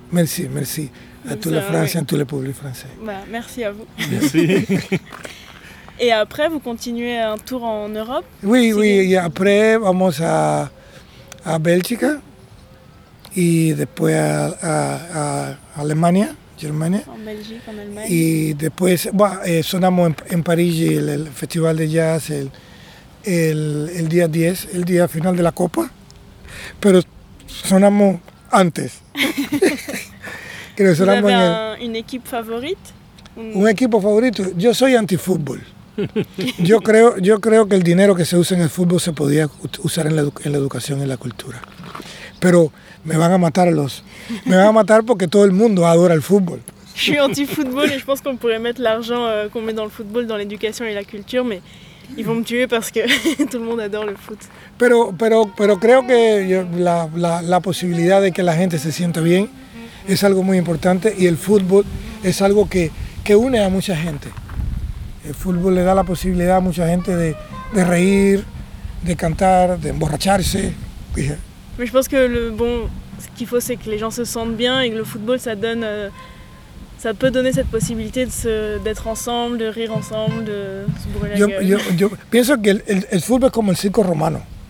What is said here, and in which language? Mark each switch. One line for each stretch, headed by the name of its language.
French: Merci, merci à toute la France, ouais. À tout le public français. Bah, merci à vous. Merci. Et après, vous continuez un tour en Europe? Oui, oui. Et après,
Spanish: vamos a Bélgica. Y después a Alemania, Germania.
French: En Belgique, en Allemagne.
Spanish: Y después, sonamos en París el Festival de Jazz el día 10, el día final de la Copa. Pero sonamos antes. Creo que sonamos en
French: ¿Une équipe favorite?
Spanish: ¿Un equipo favorito? Yo soy antifútbol. Yo creo que el dinero que se usa en el fútbol se podía usar en la educación y en la cultura. Pero me van a matar porque todo el mundo adora el fútbol.
French: Je suis anti-football et je pense qu'on pourrait mettre l'argent qu'on met dans le football dans l'éducation et la culture, mais ils vont me tuer parce que tout le monde adore le foot.
Spanish: Pero creo que la posibilidad de que la gente se sienta bien es algo muy importante y el fútbol es algo que une a mucha gente. El fútbol le da la posibilidad a mucha gente de reír, de cantar, de emborracharse.
French: Mais je pense que ce qu'il faut, c'est que les gens se sentent bien et que le football, ça peut donner cette possibilité d'être ensemble, de rire ensemble, de se brûler la gueule.
Spanish: Yo pienso que el fútbol es como el circo romano.